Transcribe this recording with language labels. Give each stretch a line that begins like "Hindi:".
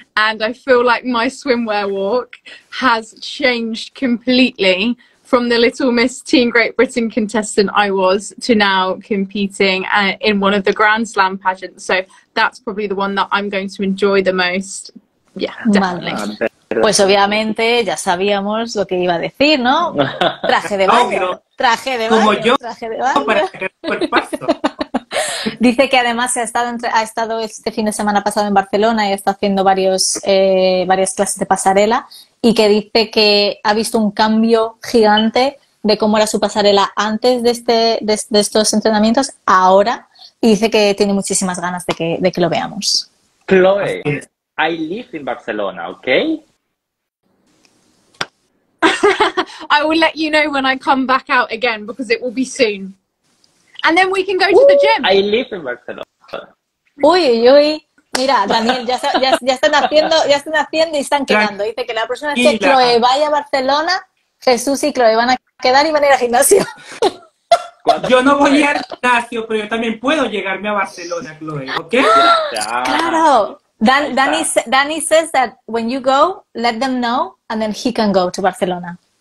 English: And I feel like my swimwear walk has changed completely from the Little Miss Teen Great Britain contestant I was to now competing in one of the Grand Slam pageants. So that's probably the one that I'm going to enjoy the most. Yeah, definitely. Vale.
Spanish: Pues obviamente ya sabíamos lo que iba a decir, ¿no? Traje de baño. Obvio. Traje de baño. Como yo. Traje de baño. Para sacar el cuerpazo. Dice que además ha estado este fin de semana pasado en Barcelona y está haciendo varias clases de pasarela. Y que dice que ha visto un cambio gigante de cómo era su pasarela antes de estos entrenamientos, ahora. Y dice que tiene muchísimas ganas de que lo veamos.
English: Chloe, I live in Barcelona, okay? I will let you know when I come back out again, because it will be soon. And then we can go to the gym. I live in Barcelona.
Spanish: Uy, uy, uy. Mira, Daniel, ya están haciendo y están quedando. Dice que la próxima vez que Chloe vaya a Barcelona, Jesús y Chloe van a quedar y van a ir al gimnasio. Yo no voy al gimnasio, pero yo también puedo llegarme a Barcelona, Chloe, ¿ok? Claro.
English: Danny says that when you go, let them know, and then he can go to Barcelona.